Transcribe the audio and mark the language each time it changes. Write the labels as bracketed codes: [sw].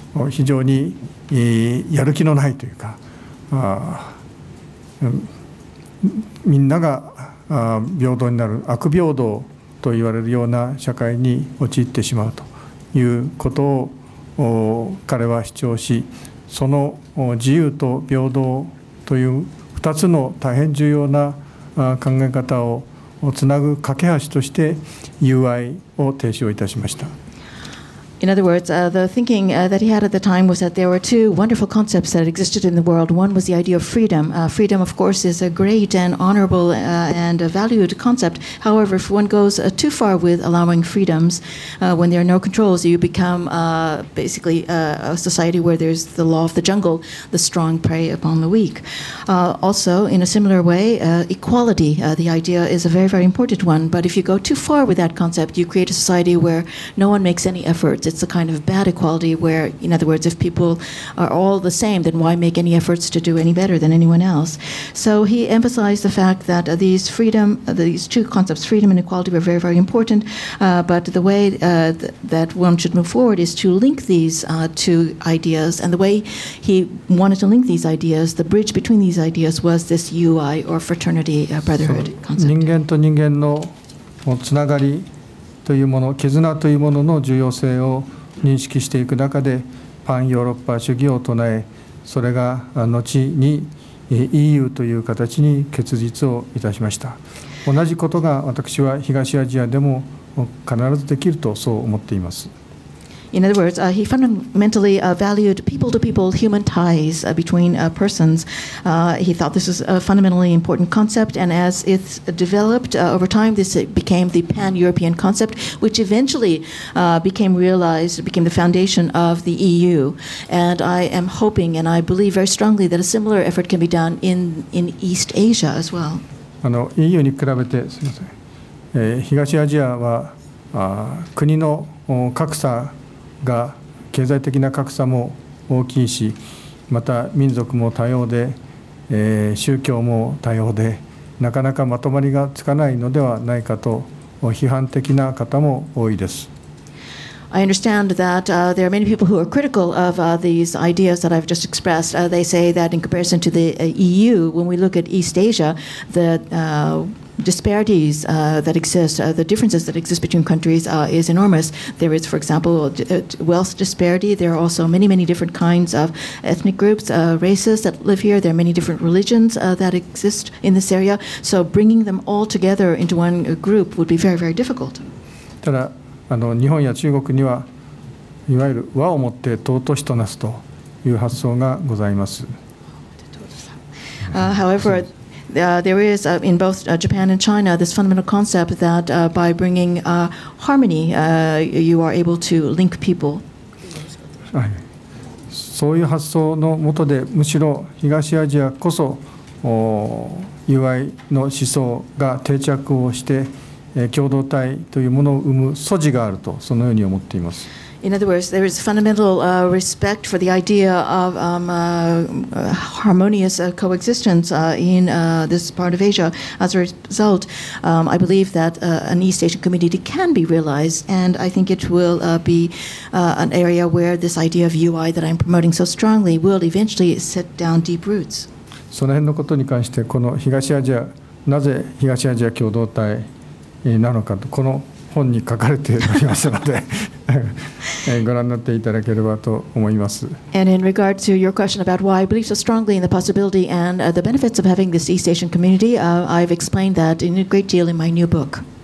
[ja] 非常にやる気のないというか、みんなが平等になる悪平等と言われるような社会に陥ってしまうということを彼は主張し、その自由と平等という2つの大変重要な考え方をつなぐ架け橋として UI を提唱いたしました。 [en] In other words, the thinking that he had at the time was that there were two wonderful concepts that existed in the world. One was the idea of freedom. Freedom, of course, is a great and honorable and a valued concept. However, if one goes too far with allowing freedoms, when there are no controls, you become basically a society where there's the law of the jungle, the strong prey upon the weak. Also, in a similar way, equality, the idea is a very, very important one. But if you go too far with that concept, you create a society where no one makes any efforts. it's the kind of bad equality where, in other words, if people are all the same, then why make any efforts to do any better than anyone else? So he emphasized the fact that these freedom, these two concepts, freedom and equality, were very, very important. But the way that one should move forward is to link these two ideas. And the way he wanted to link these ideas, the bridge between these ideas, was this UI, or fraternity, brotherhood concept. [ja] 人間と人間のつながりというもの、絆というものの重要性を認識していく中で、パンヨーロッパ主義を唱え、それが後に EU という形に結実をいたしました。同じことが私は東アジアでも必ずできるとそう思っています。 [en] In other words, he fundamentally valued people-to-people human ties between persons. He thought this was a fundamentally important concept, and as it developed over time, this became the pan-European concept, which eventually became realized, became the foundation of the EU. And I am hoping, and I believe very strongly, that a similar effort can be done in East Asia as well. [ja] EU に比べて、すみません、東アジアは国の格差が経済的な格差も大きいし、また民族も多様で、宗教も多様で、なかなかまとまりがつかないのではないかと批判的な方も多いです。 [en] I understand that there are many people who are critical of these ideas that I've just expressed. They say that in comparison to the EU, when we look at East Asia, the disparities that exist, the differences that exist between countries is enormous. There is, for example, wealth disparity. There are also many, many different kinds of ethnic groups, races that live here. There are many different religions that exist in this area. So bringing them all together into one group would be very, very difficult. [ja] ただ日本や中国にはいわゆる和をもって尊しとなすという発想がございます。 [en] However, there is in both Japan and China this fundamental concept that by bringing harmony, you are able to link people. [ja] そういう発想のもとで、むしろ東アジアこそ UI の思想が定着をして、共同体というものを生む素地があると、そのように思っています。 [en] In other words, there is fundamental respect for the idea of harmonious coexistence in this part of Asia. As a result, I believe that an East Asian community can be realized, and I think it will be an area where this idea of UI that I'm promoting so strongly will eventually set down deep roots. [ja] その辺のことに関して、この東アジア、なぜ東アジア共同体なのかと、この本に書かれておりますのでご覧になっていただければと思います。 [en] And in regard to your question about why I believe so strongly in the possibility and the benefits of having this East Asian community, I've explained that in a great deal in my new book.